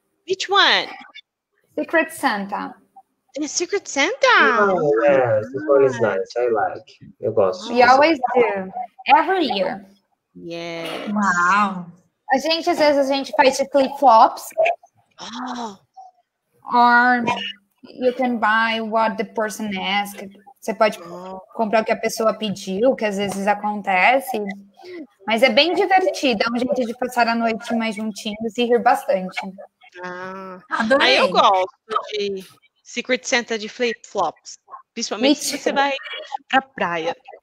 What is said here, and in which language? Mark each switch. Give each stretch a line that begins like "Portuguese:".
English: Which one? Secret Santa. The Secret Santa? Oh, yes. This one is nice. I like.
Portuguese: Eu gosto.
English: We always do. Every year. Yes. Wow.
Portuguese: A gente, às vezes, a gente faz flip-flops. Oh.
English: Or you can buy what the person asked.
Portuguese: Você pode comprar o que a pessoa pediu, que às vezes acontece. Mas é bem divertido, é um jeito de passar a noite mais juntinhos e rir bastante. Ah, adorei. Aí eu gosto de Secret Santa de flip-flops, principalmente se você vai pra praia.